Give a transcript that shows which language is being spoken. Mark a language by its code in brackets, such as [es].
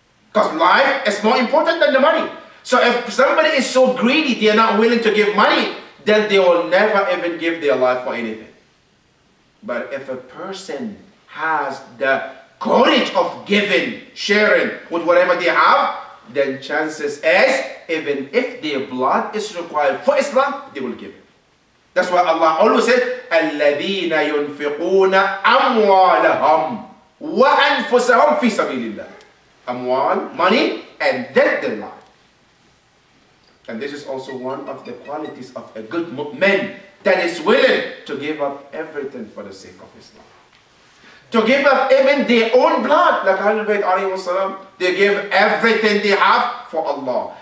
[en] Because life is more important than the money. So if somebody is so greedy, they're not willing to give money, then they will never even give their life for anything. But if a person has the courage of giving, sharing with whatever they have, then chances is, even if their blood is required for Islam, they will give it. That's why Allah always said, [ar] الَّذِينَ يُنْفِقُونَ أَمْوَالَهُمْ وَأَنفُسَهُمْ فِي سَبِيلِ اللَّهِ. [en] Amwal, money, and then the life. And this is also one of the qualities of a good man that is willing to give up everything for the sake of Islam. to give up even their own blood. Like Ahlul Bayt alayhi wasalam, they give everything they have for Allah.